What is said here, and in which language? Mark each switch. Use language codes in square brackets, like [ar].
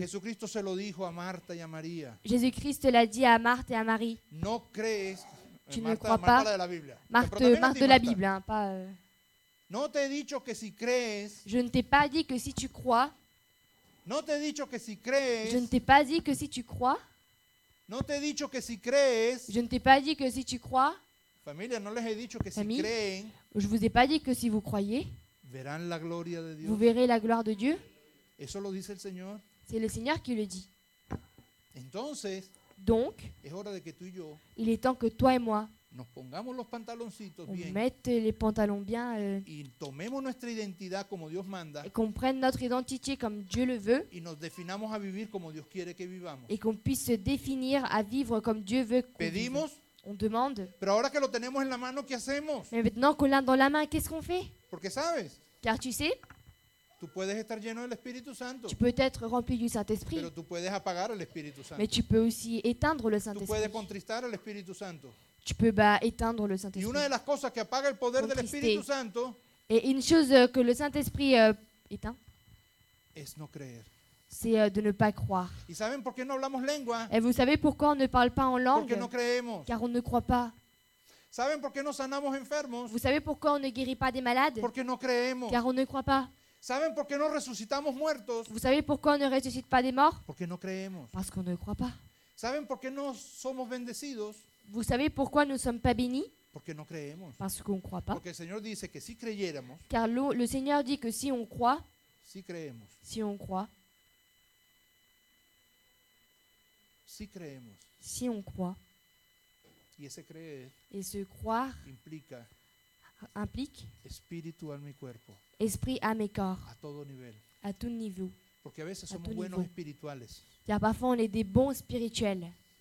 [es] Jesucristo se lo dijo a Marta y a María. [fr] Jésus-Christ l'a dit à Marthe et à Marie. [es] No crees. [fr] Tu ne crois pas. [es] Marta de la Biblia. [fr] Marthe de la Bible, hein, pas. [es] No te he dicho que si crees. [fr] Je ne t'ai pas dit que si tu crois. [es] No te he dicho que si crees. [fr] Je ne t'ai pas dit que si tu crois. [es] No te he dicho que si crees. [fr] Je ne t'ai pas dit que si tu crois. [es] Familia, no les he dicho que si creen. [fr] Je vous ai pas dit que si vous croyez. [es] Verán la gloria de Dios. [fr] Vous verrez la gloire de Dieu. [es] Eso lo dice el Señor. [fr] C'est le Seigneur qui le dit. [es] Entonces, [fr] donc, [es] es hora de que tú y yo, [fr] il est temps que toi et moi, [es] nos pongamos los pantaloncitos [fr] on [es] bien, [fr] mette les pantalons bien, [es] y tomemos nuestra identidad como Dios manda, [fr] et qu'on prenne notre identité comme Dieu le veut, [es] y nos definamos a vivir como Dios quiere que vivamos, [fr] et qu'on puisse se définir à vivre comme Dieu veut qu'on [es] pedimos, [fr] vive. On demande. [es] Pero ahora que lo tenemos en la mano, ¿qué hacemos? [fr] Mais maintenant qu'on l'a dans la main, qu'est-ce qu'on fait? [es] Porque sabes. [fr] Car tu sais. [es] Tu puedes estar lleno del Espíritu Santo. [fr] Tu peux être rempli du Saint-Esprit. [es] Pero tú puedes apagar el Espíritu Santo. [fr] Mais tu peux aussi éteindre le Saint-Esprit. [es] Tú puedes contristar al Espíritu Santo. [fr] Tu peux éteindre le Saint-Esprit. [es] Y una de las cosas que apaga el poder del Espíritu Santo. [fr] Et une chose que le Saint-Esprit éteint. [es] Es no creer. [fr] C'est de ne pas croire. [es] ¿Y saben por qué no hablamos lengua? [fr] Et vous savez pourquoi on ne parle pas en langue? [es] Porque no creemos. [fr] Car on ne croit pas. [es] ¿Saben por qué no sanamos enfermos? [fr] Vous savez pourquoi on ne guérit pas des malades? [es] Porque no creemos. [fr] Car on ne croit pas. [es] ¿Saben por qué no resucitamos muertos? [fr] Vous savez pourquoi on ne ressuscite pas des morts? [es] Porque no creemos. [fr] Parce qu'on ne croit pas. [es] ¿Saben por qué no somos bendecidos? [fr] Vous savez pourquoi nous sommes pas bénis? [es] Porque no creemos. [fr] Parce qu'on croit pas. [es] Porque el Señor dice que si creyéramos. [fr] Car le Seigneur dit que si on croit. [es] Si creemos. [fr] Si on croit. [es] Si creemos. [fr] Si on croit. [es] Y ese creer. [fr] Et se croire. [es] Implica. [fr] Implique. [es] Espíritu en mi cuerpo. [fr] Esprit à mes corps. [es] A todo nivel. [fr] À tout niveau. [es] Porque a veces somos buenos espirituales. [fr] Car parfois on est des bons spirituels.